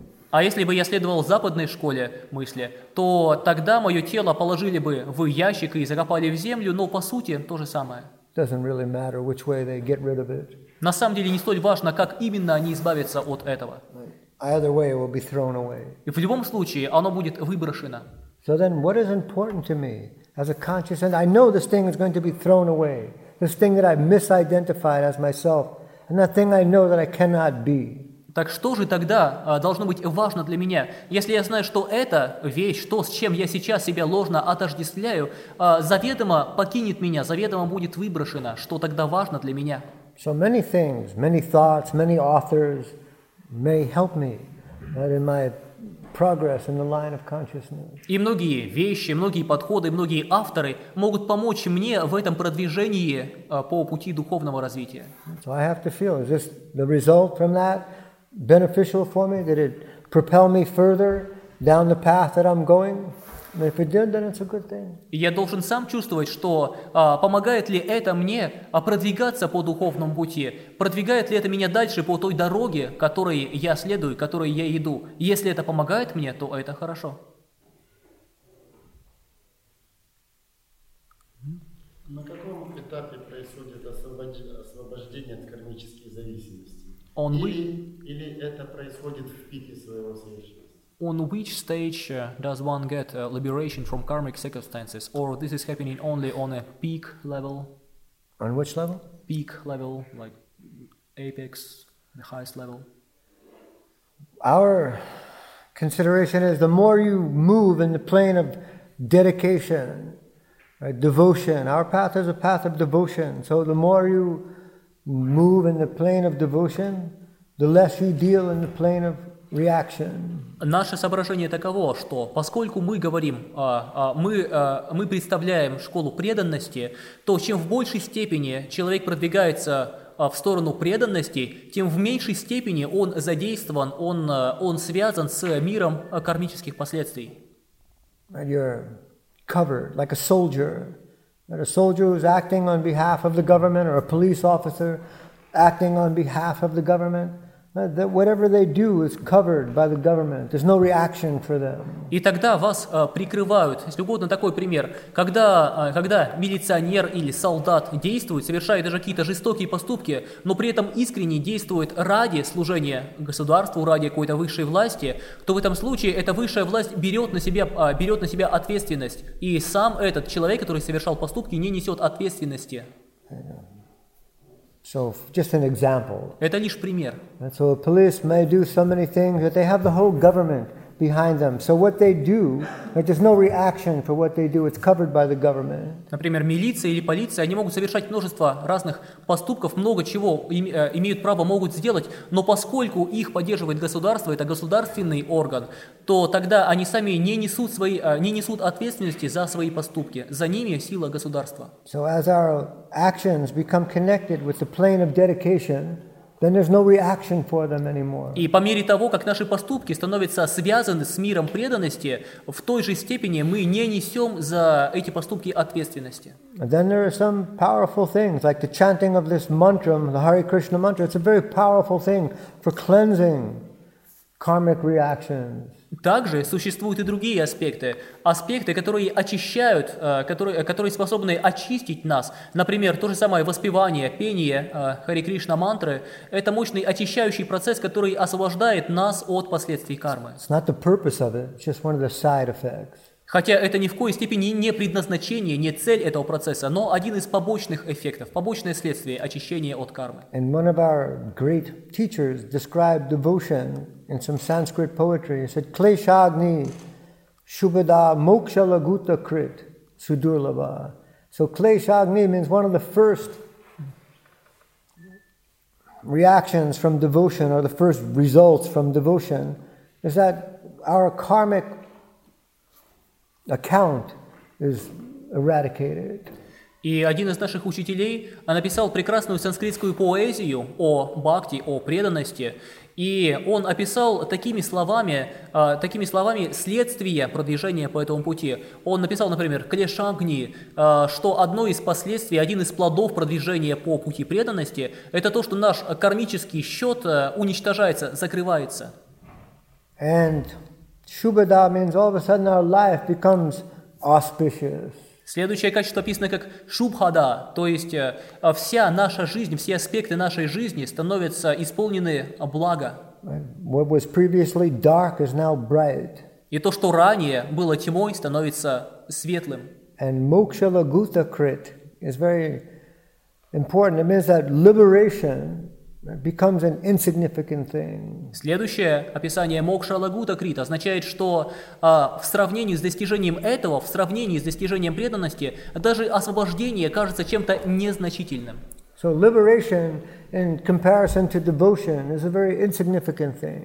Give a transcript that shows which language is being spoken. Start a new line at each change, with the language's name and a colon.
Russian: А если бы я следовал западной школе мысли, то тогда мое тело положили бы в ящик и закопали в землю, но по сути то же самое.
English: Doesn't really matter which way they get rid of it.
Russian: На самом деле не столь важно, как именно они избавятся от этого.
English: Either way, it will be thrown away.
Russian: И в любом случае, оно будет выброшено.
English: So then, what is important to me as a conscious entity? I know this thing is going to be thrown away. This thing that I misidentified as myself, and that thing I know that I cannot be.
Russian: Так что же тогда должно быть важно для меня? Если я знаю, что эта вещь, то, с чем я сейчас себя ложно отождествляю, заведомо покинет меня, заведомо будет выброшено, что тогда важно для меня?
English: So many things, many thoughts, many authors may help me in my progress in the line of consciousness.
Russian: И многие вещи, многие подходы, многие авторы могут помочь мне в этом продвижении по пути духовного развития.
English: So I have to feel, is this the result from that? Beneficial for me? Did it propel me further down the path that I'm going? If it did, then it's a good thing.
Russian: Я должен сам чувствовать, что помогает ли это мне продвигаться по духовному пути, продвигает ли это меня дальше по той дороге, которой я следую, которой я иду. Если это помогает мне, то это хорошо. На каком этапе происходит освобождение от кармических зависимостей? Или это происходит в пике своего совершенства?
English: On which stage does one get liberation from karmic circumstances? Or this is happening only on a peak level? On which level? Peak level, like apex, the highest level. Our consideration is the more you move in the plane of dedication, right, devotion. Our path is a path of devotion. So the more you move in the plane of devotion, the less you deal in the plane of reaction.
Russian: Наше соображение таково, что поскольку мы говорим, мы представляем школу преданности, то чем в большей степени человек продвигается в сторону преданности, тем в меньшей степени он задействован, он связан с миром кармических последствий.
English: And you're covered like a soldier. That a soldier who's acting on behalf of the government, or a police officer acting on behalf of the government, that whatever they do is covered by the government. There's no reaction for them.
Russian: И тогда вас прикрывают. Если угодно такой пример, когда милиционер или солдат действует, совершает даже какие-то жестокие поступки, но при этом искренне действует ради служения государству, ради какой-то высшей власти, то в этом случае эта высшая власть берет на себя ответственность, и сам этот человек, который совершал поступки, не несет ответственности.
English: So, just an example.
Russian: Это лишь пример.
English: And so, police may do so many things, but they have the whole government behind them. So, what they do, there's no reaction for what they do. It's covered by the government.
Russian: Например, милиция или полиция, они могут совершать множество разных поступков, много чего имеют право, могут сделать, но поскольку их поддерживает государство, это государственный орган, то тогда они сами не несут ответственности за свои поступки. За ними сила государства.
English: So, as our actions become connected with the plane of dedication, then there's no reaction for them anymore.
Russian: И по мере того, как наши поступки становятся связаны с миром преданности, в той же степени мы не несем за эти поступки ответственности.
English: And then there are some powerful things, like the chanting of this mantra, the Hare Krishna mantra. It's a very powerful thing for cleansing karmic reactions.
Russian: Также существуют и другие аспекты, аспекты, которые очищают, которые способны очистить нас. Например, то же самое воспевание, пение Хари Кришна мантры – это мощный очищающий процесс, который освобождает нас от последствий кармы.
English: It's not the purpose of it, it's just one of the side effects.
Russian: Хотя это ни в коей степени не предназначение, не цель этого процесса, но один из побочных эффектов, побочное следствие очищения от кармы.
English: And one of our great teachers described devotion in some Sanskrit poetry. He said,
Sanskrit: "Kleshagni shubhada moksha laguta krit sudurlava."
English: So Kleshagni means one of the first reactions from devotion, or the first results from devotion, is that our karmic account is eradicated.
Russian: И один из наших учителей написал прекрасную санскритскую поэзию о бхакти, о преданности, и он описал такими словами следствие продвижения по этому пути. Он написал, например, клешагни, что одно из последствий, один из плодов продвижения по пути преданности, это то, что наш кармический счет уничтожается, закрывается.
English: And Shubhada means all of a sudden our life becomes auspicious.
Russian: Следующее качество описано как Шубхада, то есть вся наша жизнь, все аспекты нашей жизни становятся исполнены блага.
English: What was previously dark is now bright.
Russian: И то, что ранее было тьмой, становится светлым.
English: And Moksha Laguta Krit is very important. It means that liberation becomes an insignificant thing.
Russian: Следующее описание Мокша Лагута Крит означает, что в сравнении с достижением этого, в сравнении с достижением преданности, даже освобождение кажется чем-то незначительным.
English: So liberation in comparison to devotion is a very insignificant thing.